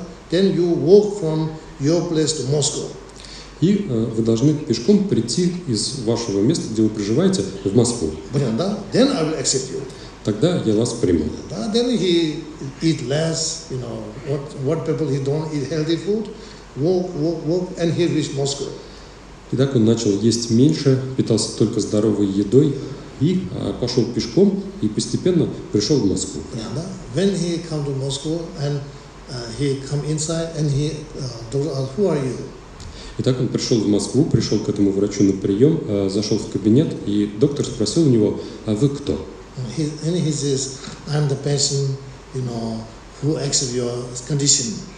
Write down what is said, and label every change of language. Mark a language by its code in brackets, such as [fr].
[en] Then you walk from your place to Moscow. [ru] И вы должны пешком прийти из вашего места, где вы проживаете, в Москву. [en] Then I will accept you. [ru] Тогда я вас приму. [en] Then he eat less, what people he don't eat healthy food, walk, and he reach Moscow. [ru] И так он начал есть меньше, питался только здоровой едой и пошел пешком и постепенно пришел в Москву. [en] When he came to Moscow and he came inside and he told us, who are you? [ru] И так он пришел в Москву, пришел к этому врачу на прием, зашел в кабинет и доктор спросил у него, а вы кто? [en] And he says, I'm the patient, who accept your condition.